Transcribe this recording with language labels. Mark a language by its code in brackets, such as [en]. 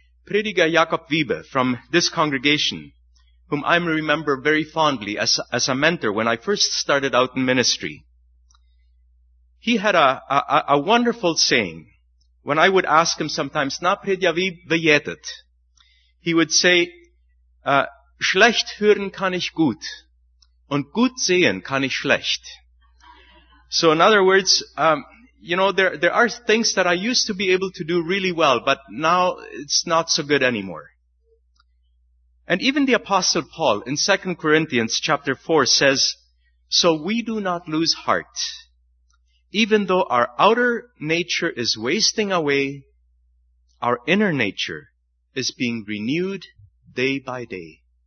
[en] Prediger Jakob Wiebe from this congregation, whom I remember very fondly as a mentor when I first started out in ministry, he had a wonderful saying. When I would ask him sometimes, [de] na Prediger, wie bejetet? [en] He would say, [de] schlecht hören kann ich gut, und gut sehen kann ich schlecht. [en] So in other words, there are things that I used to be able to do really well, but now it's not so good anymore. And even the Apostle Paul in 2 Corinthians chapter 4 says, so we do not lose heart, even though our outer nature is wasting away, our inner nature is being renewed day by day.